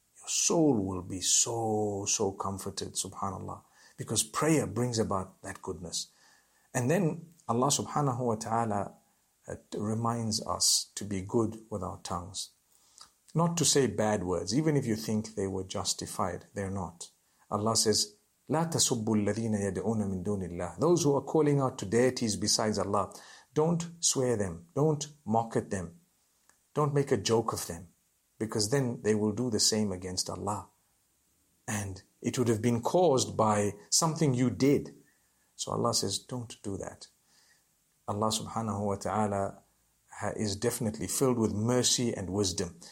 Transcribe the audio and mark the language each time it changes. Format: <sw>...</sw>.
<en>Your soul will be so, so comforted, subhanAllah, because prayer brings about that goodness. And then Allah subhanahu wa ta'ala reminds us to be good with our tongues. Not to say bad words, even if you think they were justified, they're not. Allah says,</en> <ar>لا تسبوا الذين يدعون من دون الله.</ar> <en>Those who are calling out to deities besides Allah, don't swear them, don't mock at them, don't make a joke of them, because then they will do the same against Allah. And it would have been caused by something you did. So Allah says, don't do that. Allah subhanahu wa ta'ala is definitely filled with mercy and wisdom.</en>